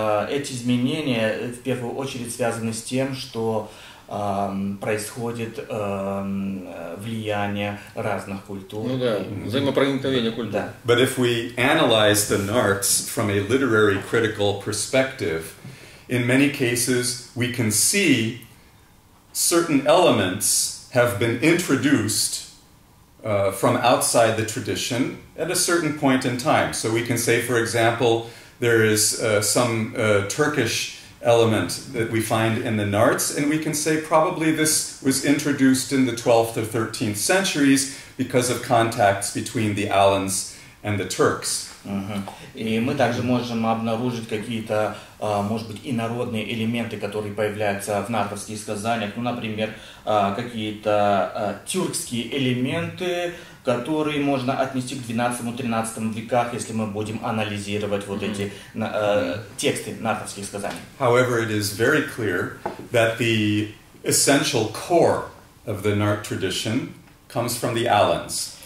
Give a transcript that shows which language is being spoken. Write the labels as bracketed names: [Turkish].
[Russian] Эти изменения в первую очередь связаны с тем, что происходит влияние разных культур. Ну да, взаимопроникновение культур. Да. [English] But if we analyze the Narts from a literary critical perspective, in many cases we can see certain elements have been introduced from outside the tradition at a certain point in time. So we can say, for example, there is some Turkish element that we find in the Narts, and we can say probably this was introduced in the 12th or 13th centuries because of contacts between the Alans and the Turks. [Russian] И мы также можем обнаружить какие-то, может быть, инородные элементы, которые появляются в нартовских сказаниях, ну, например, какие-то тюркские элементы, которые можно отнести к 12-13 веках, если мы будем анализировать вот эти тексты нартовских сказаний. [English] However, it is very clear that the essential core of the Nart tradition comes from the Alans.